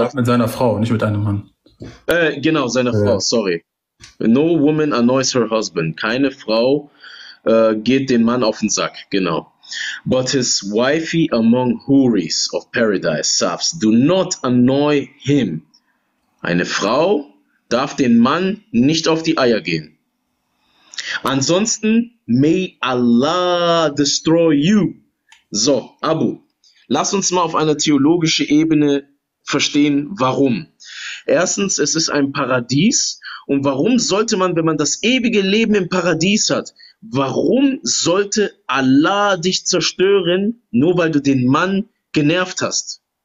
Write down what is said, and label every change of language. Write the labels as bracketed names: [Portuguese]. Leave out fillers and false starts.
[German] auch mit seiner Frau, nicht mit einem Mann. Genau, seiner Frau, [English] sorry. No woman annoys her husband. [German] Keine Frau geht dem Mann auf den Sack, genau. [English] But his wifey among huris of paradise, Safs, do not annoy him. [German] Eine Frau darf den Mann nicht auf die Eier gehen. Ansonsten, [English] may Allah destroy you. [German] So, Abu, lass uns mal auf einer theologischen Ebene verstehen, warum. Erstens, es ist ein Paradies. Und warum sollte man, wenn man das ewige Leben im Paradies hat, warum sollte Allah dich zerstören, nur weil du den Mann genervt hast?